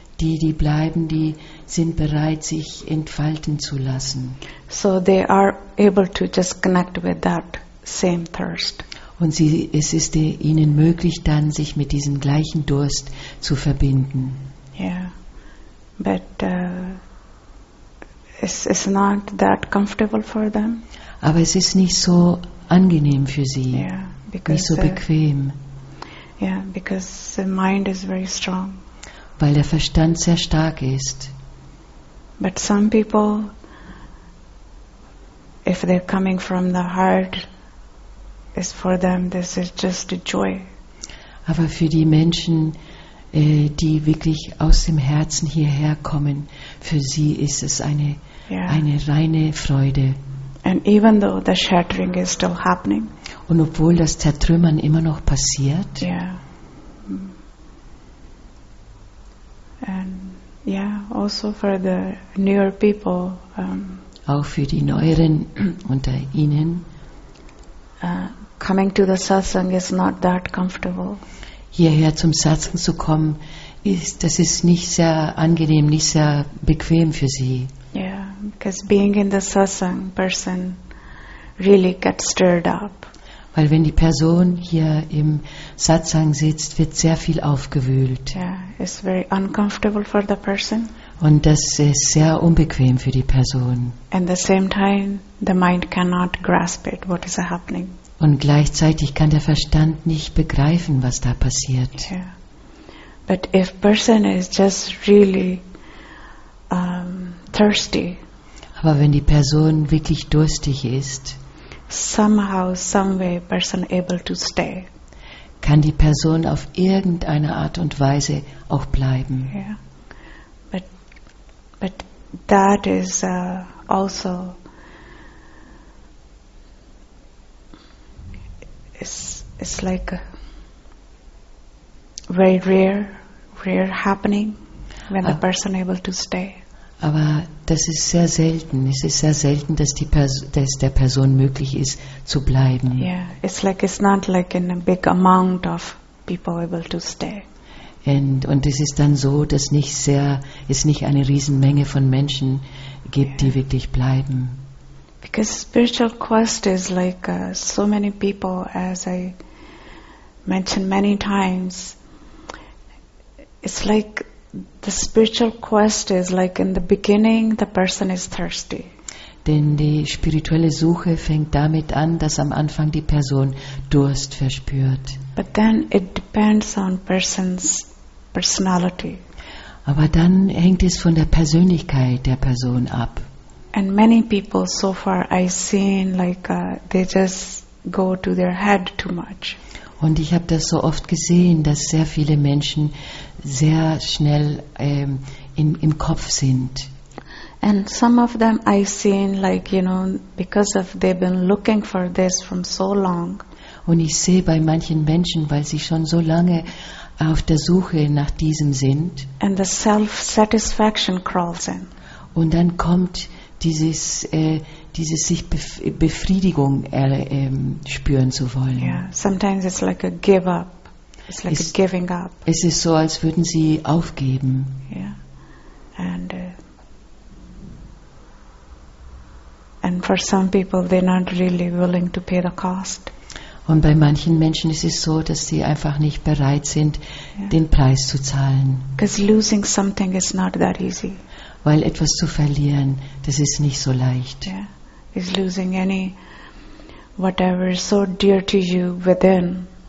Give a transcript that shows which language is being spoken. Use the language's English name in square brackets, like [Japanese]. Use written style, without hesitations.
[German] Die bleiben, die sind bereit, sich entfalten zu lassen. [English] So they are able to just connect with that same thirst. [German] Und es ist ihnen möglich, dann sich mit diesem gleichen Durst zu verbinden. [English] Yeah, but it's not that comfortable for them. [German] Aber es ist nicht so angenehm für sie. Yeah, [English] because [German] nicht so bequem. [English] Yeah, because the mind is very strong. [German] Weil der Verstand sehr stark ist. [English] But some people, if they're coming from the heart, is for them this is just a joy. [German] Aber für die Menschen, die wirklich aus dem Herzen hierher kommen, für sie ist es eine reine Freude. [English] And even though the shattering is still happening. [German] Und obwohl das Zertrümmern immer noch passiert. Ja. Yeah. [English] And yeah, also for the newer people. [German] Auch für die Neueren unter ihnen. [English] Coming to the satsang is not that comfortable. [German] Hierher zum Satsang zu kommen, das ist nicht sehr angenehm, nicht sehr bequem für sie. [English] Yeah, because being in the satsang, person really gets stirred up. [German] Weil wenn die Person hier im Satsang sitzt, wird sehr viel aufgewühlt. [English] Yeah, it's very uncomfortable for the person. [German] Und das ist sehr unbequem für die Person. [English] And the same time, the mind cannot grasp it, what is happening. [German] Und gleichzeitig kann der Verstand nicht begreifen, was da passiert. [English] Yeah. But if person is just really thirsty. [German] Aber wenn die Person wirklich durstig ist. [English] Somehow, some way, person able to stay. [German] Kann die Person auf irgendeine Art und Weise auch bleiben. Yeah. [English] But that is also it's like a very rare happening when the person able to stay. [German] Aber das ist sehr selten. Es ist sehr selten, dass der Person möglich ist, zu bleiben. [English] Yeah, it's like it's not like in a big amount of people able to stay. [German] Und es ist dann so, dass es nicht eine Riesenmenge von Menschen gibt, yeah, die wirklich bleiben. [English] Because spiritual quest is like so many people, as I mentioned many times, it's like the spiritual quest is like in the beginning the person is thirsty. [German] Denn die spirituelle Suche fängt damit an, dass am Anfang die Person Durst verspürt. [English] But then it depends on person's personality. [German] Aber dann hängt es von der Persönlichkeit der Person ab. [English] And many people so far I've seen like they just go to their head too much. [German] Und ich habe das so oft gesehen, dass sehr viele Menschen sehr schnell im Kopf sind. [English] And some of them I've seen, like, you know, because of they've been looking for this from so long. [German] Und ich sehe bei manchen Menschen, weil sie schon so lange auf der Suche nach diesem sind. [English] And the self-satisfaction crawls in. [German] Und dann kommt dieses sich Befriedigung spüren zu wollen. [English] Yeah, sometimes it's like a give up. It's like a giving up. [German] Es ist so, als würden sie aufgeben. Yeah. [English] And for some people they're not really willing to pay the cost. [German] Und bei manchen Menschen ist es so, dass sie einfach nicht bereit sind, yeah, den Preis zu zahlen. [English] Because losing something is not that easy. [German] Weil etwas zu verlieren, das ist nicht so leicht. [English] Yeah. Is losing any whatever is so dear to you within.